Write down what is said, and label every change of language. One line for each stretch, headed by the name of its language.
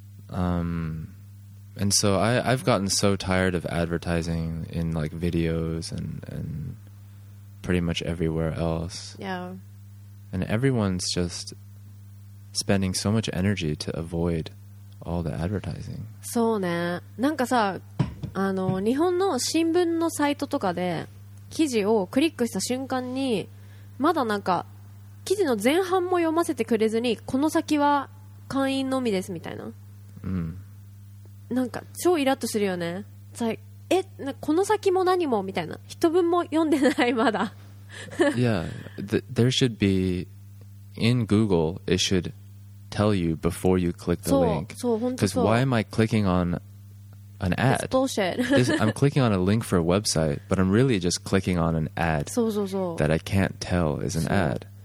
English: And so I've gotten so tired of advertising in, like, videos and pretty much everywhere else. Yeah. And everyone's just spending so much energy to avoid all the advertising.
Japanese: そうね。なんかさ、あの、日本の新聞のサイトとかで記事をクリックした瞬間に、まだなんか記事の前半も読ませてくれずに、この先は会員のみですみたいな。うん。なんか超イラッとするよね。え、この先も何もみたいな一文も読んでないまだ。
English: yeah, there should be in Google. It should tell you before you click the link.
Japanese: そう、本当そう。
English: Because why am I clicking on an ad? That's bullshit. I'm clicking on a link for a website, but I'm really just clicking on an ad.
Japanese: そうそうそう。
English: That I can't tell is an ad.